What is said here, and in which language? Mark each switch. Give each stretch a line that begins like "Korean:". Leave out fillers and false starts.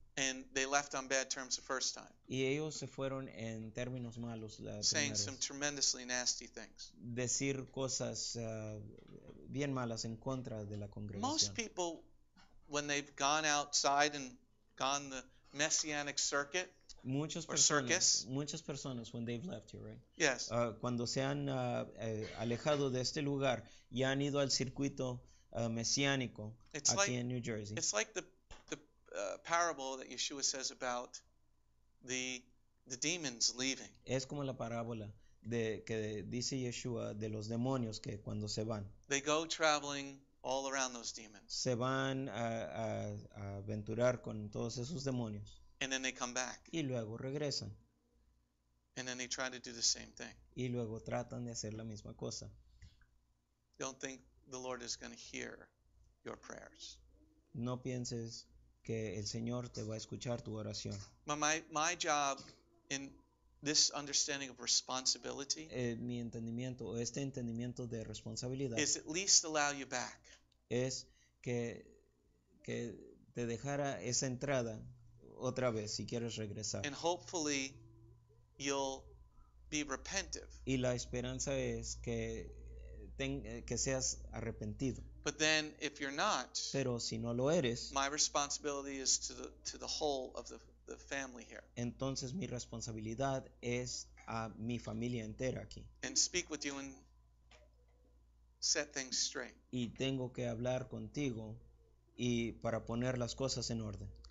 English: and they left on bad terms the first time,
Spanish: y ellos se fueron en términos malos la primera vez,
English: saying some tremendously nasty things,
Spanish: decir cosas bien malas en contra de la congregación.
English: Most people, when they've gone outside and gone the messianic circuit,
Spanish: muchas personas,
English: or circus,
Spanish: muchas personas,
English: when they've left here, right? Yes.
Spanish: Cuando se han alejado de este lugar y han ido al circuito mesiánico,
English: it's
Spanish: aquí
English: like,
Spanish: en New Jersey.
English: It's like the parable that Yeshua says about the demons leaving.
Spanish: Es como la parábola de que dice Yeshua de los demonios que cuando se van.
English: They go traveling all around those demons.
Spanish: Se van a aventurar con todos esos demonios.
English: And then they come back.
Spanish: Y luego regresan.
English: And then they try to do the same thing.
Spanish: Y luego tratan de hacer la misma cosa.
English: Don't think the Lord is going to hear your prayers.
Spanish: No pienses que el Señor te va a escuchar tu oración.
English: My job in this understanding of responsibility,
Spanish: mi entendimiento o este entendimiento de responsabilidad,
English: is at least allow you back.
Spanish: Es que te dejara esa entrada otra vez si quieres regresar.
English: And hopefully you'll be repentive.
Spanish: Y la esperanza es que que seas arrepentido.
English: But then if you're not,
Spanish: pero si no lo eres,
English: my responsibility is to the whole of the family here.
Spanish: Entonces mi responsabilidad es a mi familia entera aquí.
English: And speak with you and set things straight.
Spanish: Y tengo que hablar contigo y para poner las cosas en orden.